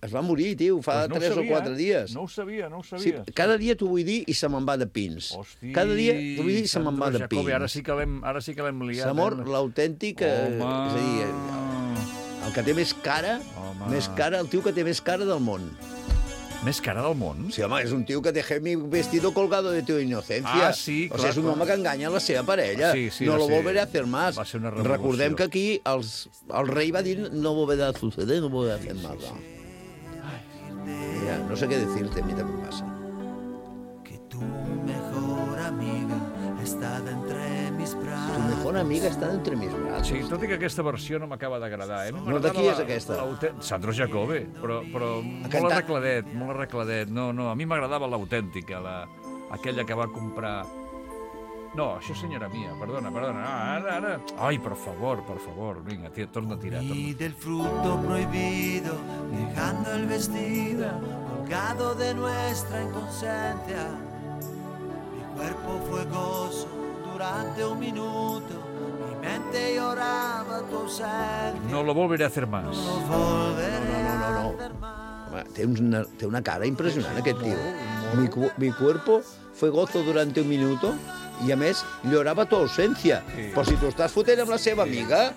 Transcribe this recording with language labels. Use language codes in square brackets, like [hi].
[ca] Es va morir, tio, fa 3 o 4 dies. No ho sabia. Sí, cada dia t'ho vull dir i se me'n va de pins. Hosti! Cada dia t'ho vull dir i se me'n va de pins. Ara sí que l'hem liat. S'amor, l'autèntica... És a dir, el que té més cara... Home. Més cara, el tio que té més cara del món. Més cara del món? Sí, home, és un tio que [es] deja mi vestido colgado de tu inocencia. [ca] Ah, sí, clar. O sigui, és un home que enganya la seva parella. Sí, [es] no lo volveré a fer más. [ca] Va ser una revolució. Recordem que aquí el rei va dir [es] no volverá a suceder, no volverá a hacer más. [ca] Mira, no sé què decirte, a mi també passa. [es] Que tu mejor amiga está entre mis brazos. Tu mejor amiga está entre mis brazos. [ca] Sí, tot i que aquesta versió no m'acaba d'agradar, eh? No, de qui és aquesta? Sandro Jacobbe, però molt arregladet. No, a mi m'agradava l'autèntica, aquella que va comprar... No, això és senyora mia, perdona. Ara. Ai, per favor. Vinga, tia, torna a tirar. [es] Y del fruto prohibido, dejando el vestido, colgado de nuestra inconsciencia. Cuerpo fue gozo durante un minuto, mi mente lloraba tu ausencia. No lo volveré a hacer más. No. [ca] Té una cara impressionant, aquest tio. [es] Mi cuerpo fue gozo durante un minuto [ca] I, a més, llorava tu ausència. Sí. Però si tu estàs fotent amb la seva amiga...